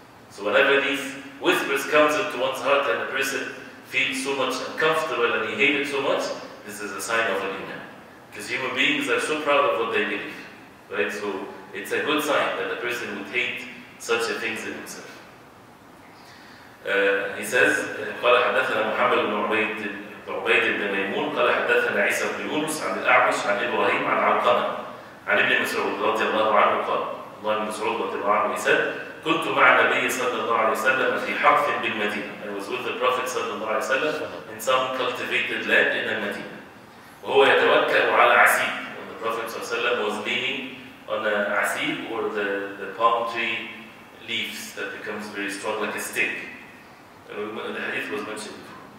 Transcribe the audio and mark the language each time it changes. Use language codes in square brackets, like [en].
[en] So whenever these whispers come into one's heart and a person feels so much uncomfortable and he hates it so much, this is a sign of an iman. Because human beings are so proud of what they believe. Right? So it's a good sign that a person would hate such a things in himself. [ar] He says, قال حدثنا محمد بن عبيد بن ميمون قال حدثنا عيسى بن يونس عن الأعمش عن إبراهيم عن علقمة عن ابن مسعود رضي الله عنه قال الله بن مسعود رضي الله عنه [en] said [ar] كنت مع النبي صلى الله عليه وسلم في حرث بالمدينة. [en] I was with the Prophet صلى الله عليه وسلم in some cultivated land in the Medina. [ar] وهو يتوكا على عسيب. [en] When the Prophet صلى الله عليه وسلم was leaning on a عسيب or the palm tree leaves that becomes very strong like a stick. The hadith was mentioned before.